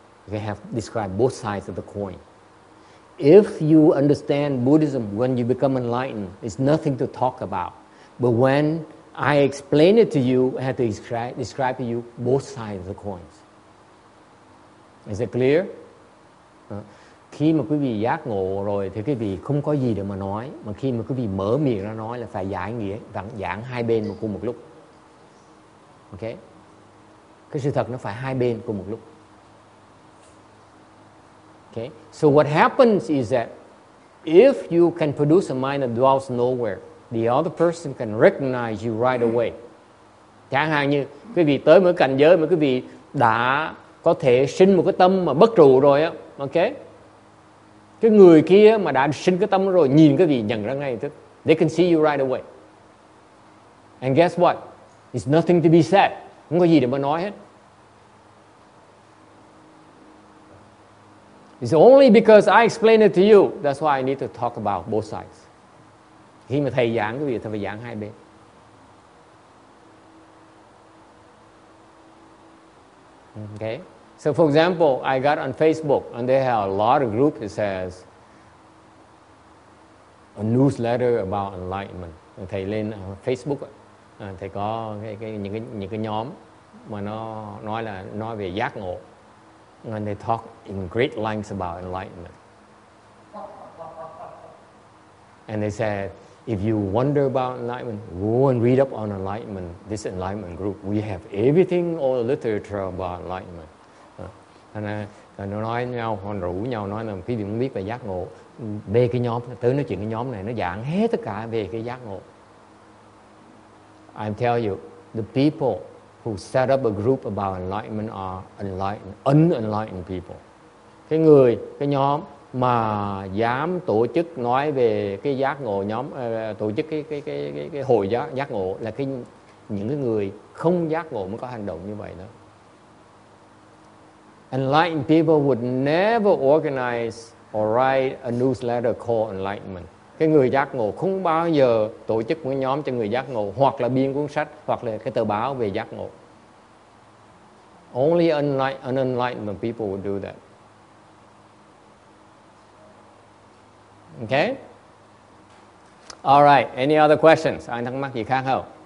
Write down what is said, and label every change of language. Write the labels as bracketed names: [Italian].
[English] It has described both sides of the coin. If you understand Buddhism when you become enlightened, it's nothing to talk about. But when I explain it to you, I have to describe to you both sides of the coins. Is it clear? [Vietnamese] Khi mà quý vị giác ngộ rồi thì quý vị không có gì để mà nói. Mà khi mà quý vị mở miệng ra nói là phải giải nghĩa, giảng hai bên một cùng một lúc. Ok? Cái sự thật nó phải hai bên cùng một lúc. [English] Ok? So what happens is that if you can produce a mind that dwells nowhere, the other person can recognize you right away. [Vietnamese] Chẳng hạn như quý vị tới một cảnh giới mà quý vị đã có thể sinh một cái tâm mà bất trụ rồi á. Ok? Cái người kia mà đã sinh cái tâm rồi nhìn cái gì nhận ra ngay tức. [English] They can see you right away. And guess what? It's nothing to be said. [Vietnamese] Không có gì để mà nói hết. [English] It's only because I explain it to you. That's why I need to talk about both sides. [Vietnamese] Khi mà thầy giảng cái gì thì phải giảng hai bên. [English] Okay. So for example, I got on Facebook and they have a lot of group that says a newsletter about enlightenment. [Vietnamese] Thầy lên Facebook, thầy có những cái nhóm mà nó nói là nói về giác ngộ. [English] And they talk in great lengths about enlightenment. And they said, if you wonder about enlightenment, go and read up on enlightenment, this enlightenment group. We have everything, all the literature about enlightenment. [Vietnamese] Nó nói nhau, họ rủ nhau nói là quý vị muốn biết về giác ngộ. Về cái nhóm, tới nói chuyện cái nhóm này, nó giảng hết tất cả về cái giác ngộ. [English] I'm telling you, the people who set up a group about enlightenment are un-enlightened people. [Vietnamese] Cái người, cái nhóm mà dám tổ chức nói về cái giác ngộ nhóm, tổ chức cái hội giác ngộ là cái những cái người không giác ngộ mới có hành động như vậy đó. [English] Enlightened people would never organize or write a newsletter called Enlightenment. [Vietnamese] Cái người giác ngộ không bao giờ tổ chức một nhóm cho người giác ngộ hoặc là biên cuốn sách hoặc là cái tờ báo về giác ngộ. [English] Only un-enlightened people would do that. Okay? All right, any other questions? [Vietnamese] Ai thắc mắc gì khác không?